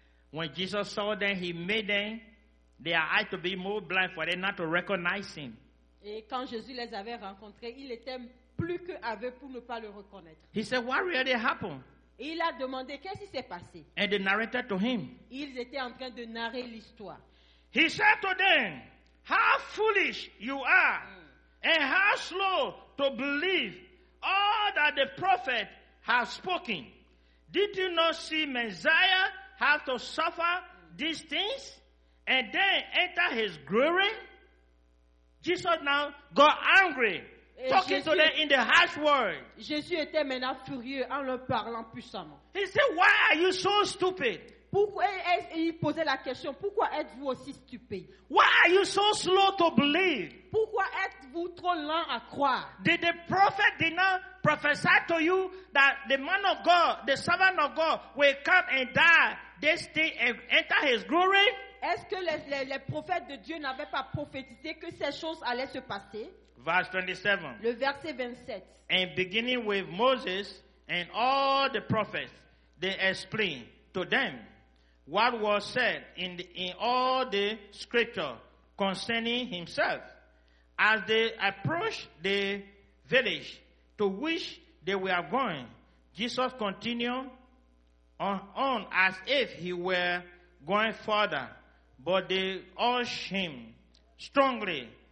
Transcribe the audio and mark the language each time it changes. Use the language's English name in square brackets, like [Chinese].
[English] When Jesus saw them, he made them their eyes to be more blind for them not to recognize him. [French] Et quand Jésus les avait rencontrés, il était plus que aveugle pour ne pas le reconnaître. [English] He said, "What really happened?" [French] Et il a demandé qu'est-ce qui s'est passé. [English] And they narrated to him. [French] Ils étaient en train de narrer l'histoire. [English] He said to them, "How foolish you are, and how slow to believe all that the prophet has spoken. Did you not see Messiah have to suffer these things and then enter his glory?" Jesus now got angry, talking to them in the harsh word. [French] Jésus était maintenant furieux en leur parlant puissamment. [English] He said, "Why are you so stupid?" [French] Il posait la question, pourquoi êtes-vous aussi stupide? [English] Why are you so slow to believe? [French] Pourquoi êtes-vous trop lent à croire? [English] Did the prophet did not prophesy to you that the man of God, the servant of God, will come and die this day and enter his glory? [French] Est-ce que les prophètes de Dieu n'avaient pas prophétisé que ces choses allaient se passer? [English] Verse 27. [French] Le verset 27. [English] And beginning with Moses and all the prophets, they explained to them what was said in all the scripture concerning himself. As they approached the village to which they were going, Jesus continued on as if he were going further, but they urged him strongly